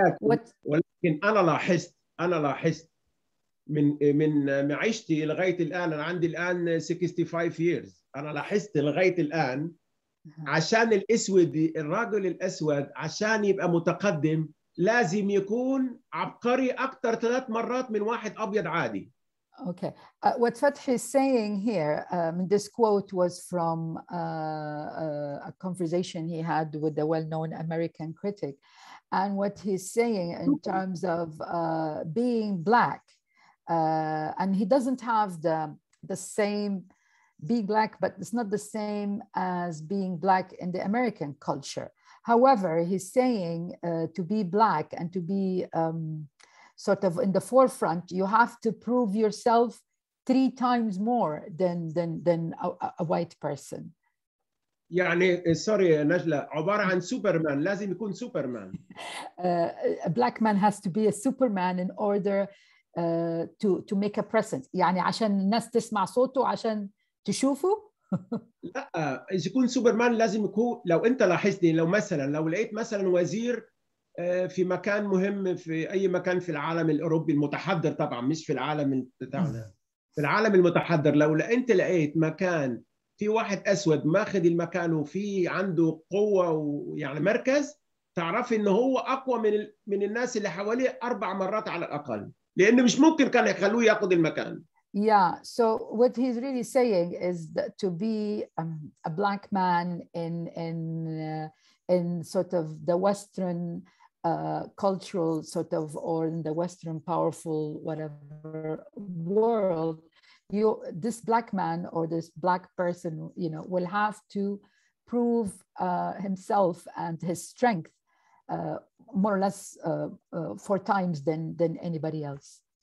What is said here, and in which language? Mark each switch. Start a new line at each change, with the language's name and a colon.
Arabic: ولكن أنا لاحظت من معيشتي لغاية الآن أنا عندي الآن 65
English: years
Arabic: أنا لاحظت لغاية الآن عشان الأسود الرجل الأسود عشان يبقى متقدم لازم يكون عبقري أكتر ثلاث مرات من واحد أبيض عادي.
English: Okay, what Fathi is saying here, this quote was from a conversation he had with a well-known American critic, and what he's saying in terms of being black. And he doesn't have the same being black, but it's not the same as being black in the American culture. However, he's saying to be black and to be sort of in the forefront, you have to prove yourself three times more than a white person.
Arabic: يعني سوري نجلة عبارة عن سوبرمان لازم يكون سوبرمان.
English: A black man has to be a superman in order to make a presence.
Arabic: يعني عشان الناس تسمع صوته عشان تشوفه. لا إذا يكون سوبرمان لازم يكون لو أنت لاحظتني لو مثلا لو لقيت مثلا وزير في مكان مهم في أي مكان في العالم الأوروبي المتحضر طبعا مش في العالم بتاعنا في العالم المتحضر لو أنت لقيت مكان في واحد أسود ماخذ المكان وفي عنده قوة ويعني مركز تعرف إنه هو أقوى من الناس اللي حواليه أربع مرات على الأقل لأنه مش ممكن كان يخلوه يأخذ المكان.
English: Yeah, so what he's really saying is that to be a black man in sort of the Western cultural sort of or in the Western powerful whatever world, this black man or this black person, you know, will have to prove himself and his strength more or less four times than anybody else.